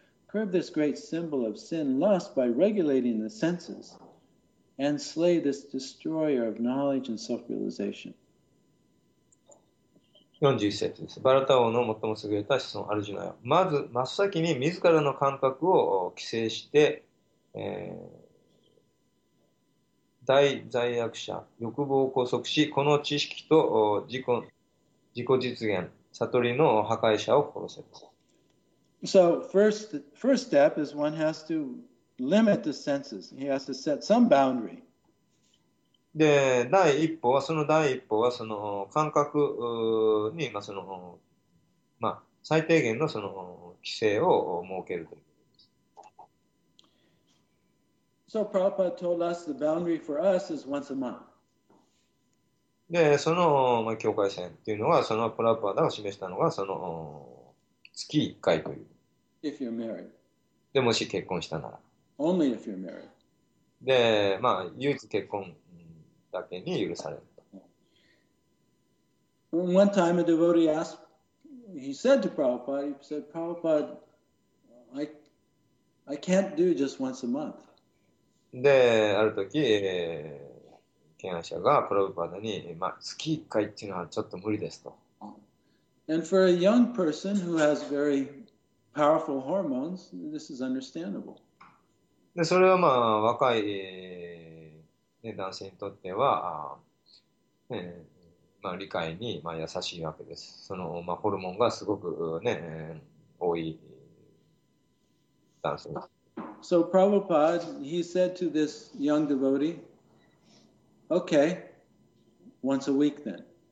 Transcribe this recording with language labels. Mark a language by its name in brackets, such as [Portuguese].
[English] curb this great symbol of sin lust by regulating the senses and slay this destroyer of knowledge and self-realization. [Japanese] 41節です。バラタ王の最も優れた子孫アルジュナよ。まず真っ先に自らの感覚を規制して、大罪悪者、欲望を拘束し、この知識と自己実現、悟りの破壊者を殺せます。 [English] So, first step is one has to limit the senses. He has to set some boundary. [Japanese] で、第一歩は、その第一歩は、その感覚に、まあ、その、まあ、最低限のその規制を設けるということです。 [English] So, Prabhupada told us the boundary for us is once a month. [Japanese] で、その、まあ、境界線っていうのは、そのプラパダが示したのが、その、月1回という。 [English] If you're married. [Japanese] でもし結婚したなら。 [English] Only if you're married. [Japanese] で、まあ、唯一結婚だけに許される。 [English] One time a devotee asked, he said to Prabhupada, he said, Prabhupada, I can't do just once a month. [Japanese] で、ある時、権威者がプラブパダに、まあ、月1回っていうのはちょっと無理ですと。 [English] And for a young person who has very powerful hormones, this is understandable. [Japanese] で、それはまあ、若い、ね、男性にとっては、まあ、理解に、まあ、優しいわけです。その、まあ、ホルモンがすごく、ね、多い男性が。 [English] So Prabhupada, he said to this young devotee, okay, once a week then.